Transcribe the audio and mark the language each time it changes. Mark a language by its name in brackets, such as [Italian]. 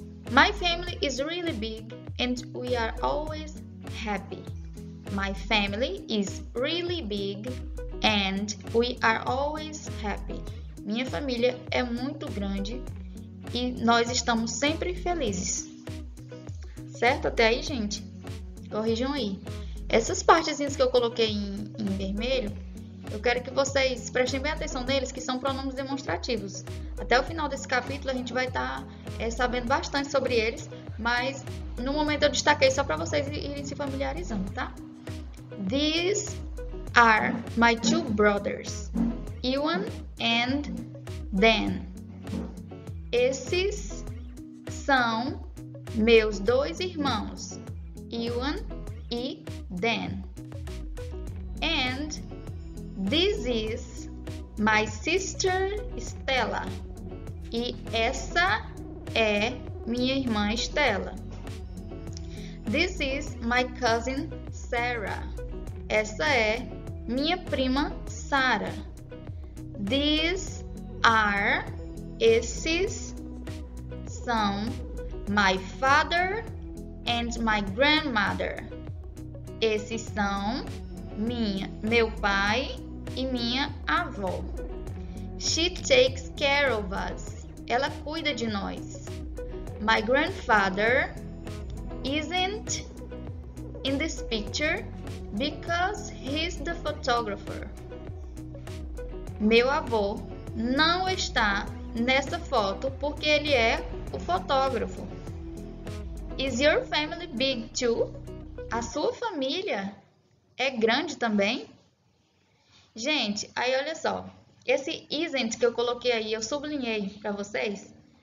[English] My family is really big and we are always happy. My family is really big and we are always happy. [Portuguese] Minha família é muito grande e nós estamos sempre felizes. Certo até aí, gente? Corrijam aí. Essas partezinhas que eu coloquei em vermelho, eu quero que vocês prestem bem atenção neles, que são pronomes demonstrativos. Até o final desse capítulo a gente vai estar sabendo bastante sobre eles, mas no momento eu destaquei só para vocês irem se familiarizando, tá? [English] These are my two brothers, Ewan and Dan. [Portuguese] Esses são meus dois irmãos, Ewan e Dan. [English] And this is my sister Stella. [Portuguese] E essa é minha irmã Stella. [English] This is my cousin Sarah. [Portuguese] Essa é minha prima Sarah. [English] These are, [Portuguese] esses são [English] my father and my grandmother. [Portuguese] Esses são meu pai e minha avó. [English] She takes care of us. [Portuguese] Ela cuida de nós. [English] My grandfather isn't in this picture because he's the photographer. [Portuguese] Meu avô não está nessa foto porque ele é o fotógrafo. [English] Is your family big too? [Portuguese] A sua família é grande também? Gente, aí olha só. Esse isn't que eu coloquei aí, eu sublinhei pra vocês.